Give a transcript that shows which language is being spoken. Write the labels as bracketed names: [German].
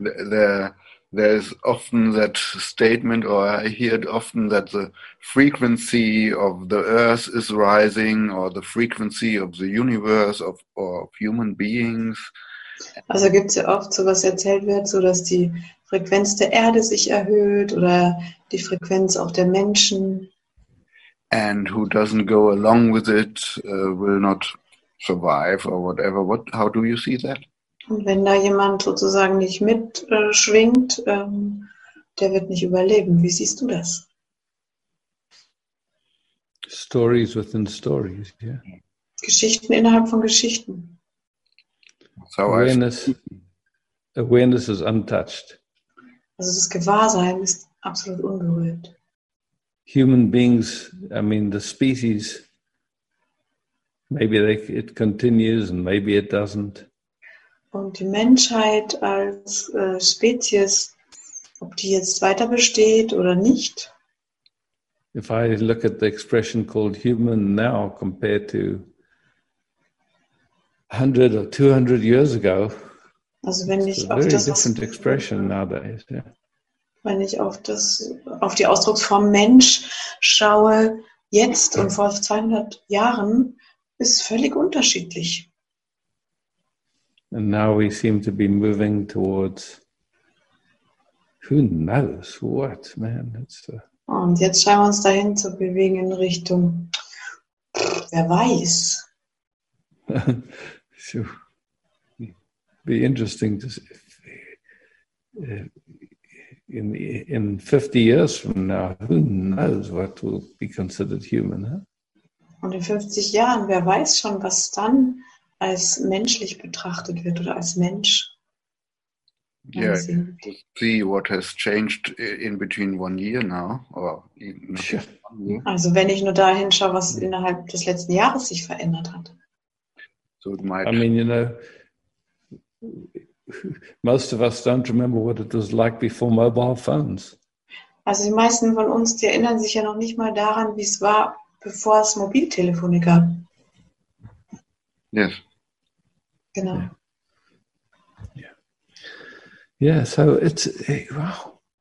[English] There is often that statement, or I hear it often, that the frequency of the earth is rising, or the frequency of the universe of human beings. [German] Also gibt es ja oft so, was erzählt wird, so dass die Frequenz der Erde sich erhöht oder die Frequenz auch der Menschen. [English] And who doesn't go along with it will not survive or whatever. What? How do you see that? [German] Und wenn da jemand sozusagen nicht mitschwingt, der wird nicht überleben. Wie siehst du das? [English] Stories within stories, yeah. [German] Geschichten innerhalb von Geschichten. [English] So awareness is untouched. [German] Also das Gewahrsein ist absolut unberührt. [English] Human beings, I mean the species, maybe it continues and maybe it doesn't. [German] Und die Menschheit als Spezies, ob die jetzt weiter besteht oder nicht. [English] If I look at the expression called human now compared to 100 or 200 years ago. [German] Also wenn ich auf das, [English] different expression nowadays, yeah. [German] Wenn ich auf die Ausdrucksform Mensch schaue, jetzt und vor 200 Jahren, ist völlig unterschiedlich. [English] And now we seem to be moving towards who knows what, man. [German] Und jetzt scheinen wir uns dahin zu bewegen in Richtung wer weiß. [English] So, be interesting to see in 50 years from now, who knows what will be considered human, huh? [German] Und in 50 Jahren, wer weiß schon, was dann als menschlich betrachtet wird oder als Mensch. [English] Yeah, see what has changed in between one year now. Or even [German] also wenn ich nur dahin schaue, was innerhalb des letzten Jahres sich verändert hat. [English] So it might. I mean, you know, most of us don't remember what it was like before mobile phones. [German] Also die meisten von uns, die erinnern sich ja noch nicht mal daran, wie es war, bevor es Mobiltelefone gab. [English] Yes. [German] Genau. [English] Yeah. So it's, wow.